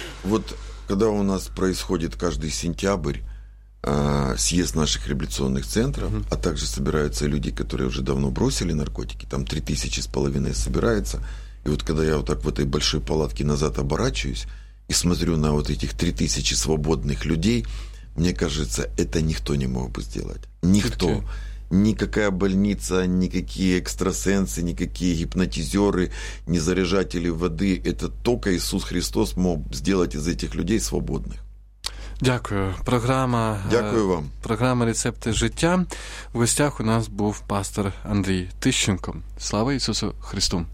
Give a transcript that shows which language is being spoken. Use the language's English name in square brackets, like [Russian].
[Ukrainian] От коли у нас відбувається кожен сентябрь з'їзд наших реабілітаційних центрів, а також збираються люди, які вже давно бросили наркотики, там 3,5 тисячі збираються, і от коли я отак в цій великій палатці назад оборачуюсь, [Russian] и смотрю на вот этих 3000 свободных людей, мне кажется, это никто не мог бы сделать. Никто. Никакая больница, никакие экстрасенсы, никакие гипнотизеры, не заряжатели воды. Это только Иисус Христос мог сделать из этих людей свободных. [Ukrainian] Дякую. Програма, дякую вам. Програма «Рецепти життя». В гостях у нас був пастор Андрій Тищенко. Слава Ісусу Христу!